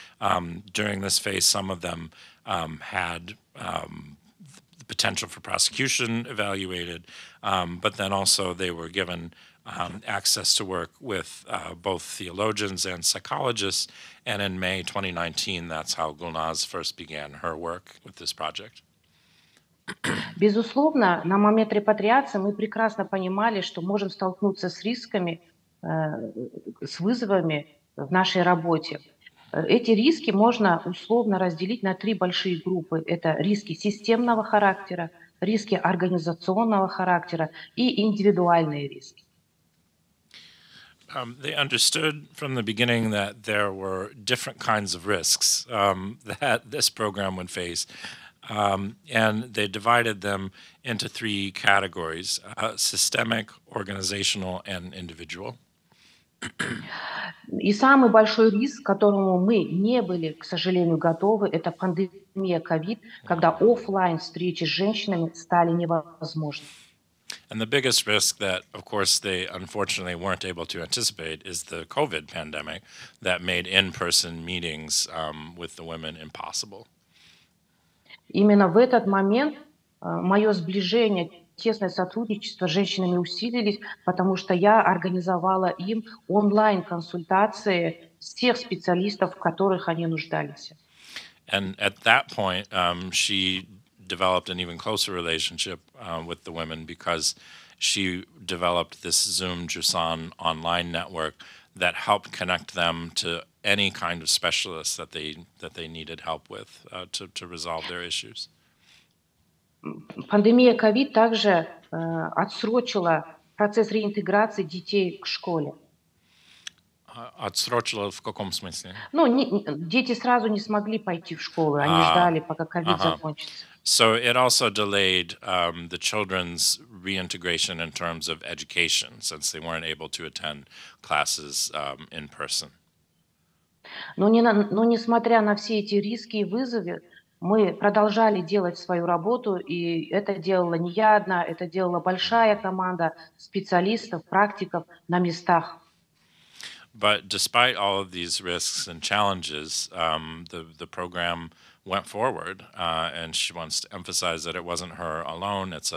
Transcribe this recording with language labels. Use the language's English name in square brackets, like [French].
[English] During this phase, some of them had the potential for prosecution evaluated, but then also they were given access to work with both theologians and psychologists. And in May 2019, that's how Gulnaz first began her work with this project. [Russian] Безусловно, на момент репатриации мы прекрасно понимали, что можем столкнуться с рисками, с вызовами в нашей работе. Эти риски можно условно разделить на три большие группы. Это риски системного характера, риски организационного характера и индивидуальные риски. [English] They understood from the beginning that there were different kinds of risks that this program would face. And they divided them into three categories, systemic, organizational, and individual. [Russian] И самый большой риск, к которому мы не были, к сожалению, готовы, это пандемия COVID, когда офлайн встречи с женщинами стали невозможны. [English] And the biggest risk that, of course, they unfortunately weren't able to anticipate is the COVID pandemic that made in-person meetings with the women impossible. [Russian] Именно в этот момент мое сближение, тесное сотрудничество с женщинами усилились, потому что я организовала им онлайн-консультации всех специалистов, в которых они нуждались. [English] And at that point, she developed an even closer relationship with the women because she developed this Zoom Jusan online network that helped connect them to any kind of specialist that they needed help with to resolve their issues. [Russian] Пандемия COVID также отсрочила процесс реинтеграции детей к школе. Отсрочила в каком смысле? Ну, дети сразу не смогли пойти в школу, они ждали, пока COVID закончится. [English] So it also delayed the children's reintegration in terms of education, since they weren't able to attend classes in person. [Russian] Но несмотря на все эти риски и вызовы, мы продолжали делать свою работу, и это делала не я одна, это делала большая команда специалистов, практиков на местах. [English] But despite all of these risks and challenges, the program went forward, and she wants to emphasize that it wasn't her alone.